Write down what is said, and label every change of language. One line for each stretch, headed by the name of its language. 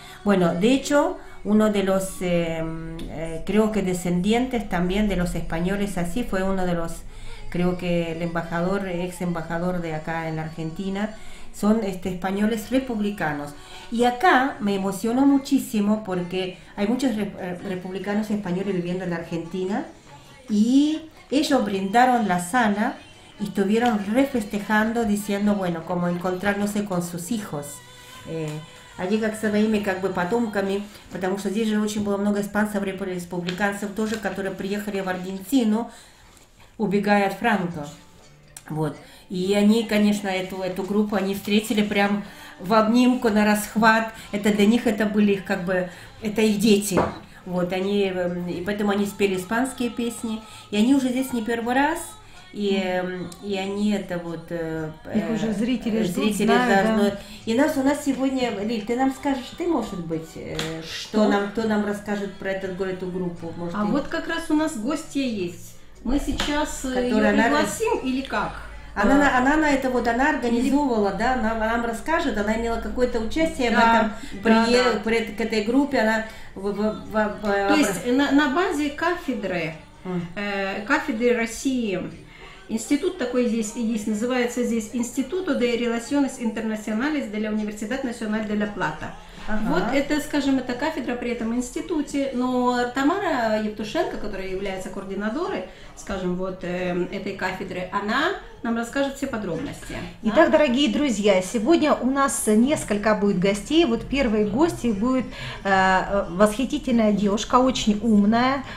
Spanish: Bueno, de hecho, uno de los, creo que descendientes también de los españoles, así fue uno de los, creo que el embajador, ex embajador de acá en la Argentina, son españoles republicanos. Y acá me emocionó muchísimo porque hay muchos republicanos españoles viviendo en la Argentina, y ellos brindaron la sala y estuvieron refestejando, diciendo, bueno, como encontrándose con sus hijos.
Russian: Они как своими имя, как бы потомками, потому что здесь же очень было много испанцев, республиканцев тоже, которые приехали в Аргентину, убегая от Франко. Вот. И они, конечно, эту группу они встретили прям в обнимку, на расхват. Это для них это были их как бы, это их дети. Вот. Они, и поэтому они спели испанские песни. И они уже здесь не первый раз. И они это вот... Их уже зрители ждут, знают, да. И у нас сегодня... Лиль, ты нам скажешь, ты, может быть, что нам, кто нам расскажет про эту группу? Может, а вот как раз у нас гостья есть. Мы сейчас ее пригласим или как? Она организовывала, да, она нам расскажет, она имела какое-то участие к этой группе. На базе кафедры, кафедры России... Институт такой здесь есть, называется здесь Instituto de Relaciones Internacionales de la Universidad Nacional de La Plata. Ага. Вот это, скажем, это кафедра при этом институте, но Тамара Евтушенко, которая является координаторой, скажем, вот этой кафедры, она нам расскажет все подробности. Итак, да? Дорогие друзья, сегодня у нас несколько будет гостей. Вот первой гостьей будет восхитительная девушка, очень умная.